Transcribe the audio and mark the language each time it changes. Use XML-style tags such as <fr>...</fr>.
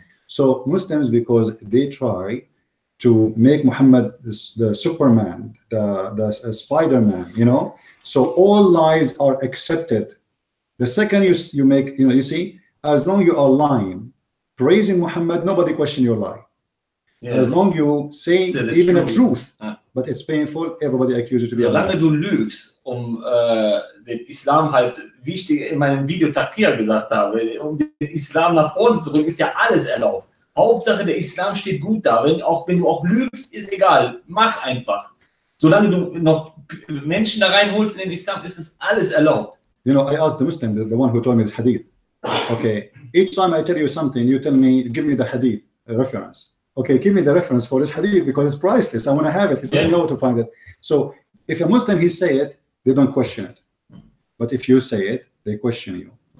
<en>So Muslims, because they try to make Muhammad the Superman, the Spider-Man, you know. So all lies are accepted. The second you make, you know, you see, as long you are lying, praising Muhammad, nobody question your lie. Yes. As long you say even truth. But it's painful, everybody accuses you to be</en> <de>so lange du lügst, den Islam halt, wie ich in meinem Video Takia gesagt habe, den Islam nach vorne zu bringen, ist ja alles erlaubt. Hauptsache, der Islam steht gut darin, auch wenn du auch lügst, ist egal. Mach einfach. Solange du noch Menschen da reinholst in den Islam, ist das alles erlaubt.</de> <en>You know, I asked the Muslim, the one who told me this hadith. Okay, each time I tell you something, you tell me, give me the hadith, a reference. Okay, give me the reference for this hadith because it's priceless. I want to have it. He said, I know to find it. So if a Muslim, he say it, they don't question it. But if you say it, they question you.</en>